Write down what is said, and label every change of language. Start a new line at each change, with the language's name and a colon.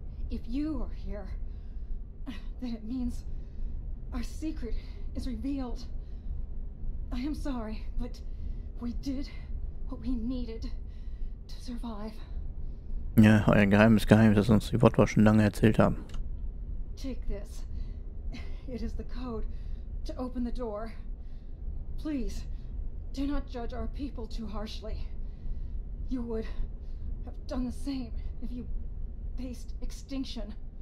English: If you are here, then it means our secret is revealed. I am sorry, but we did what we needed to survive.
German: Ja, euer geheimes Geheimnis, das uns die Wotwa schon lange erzählt haben.
English: Take this. It is the code to open the door. Please, do not judge our people too harshly. You would have done the same if you faced extinction.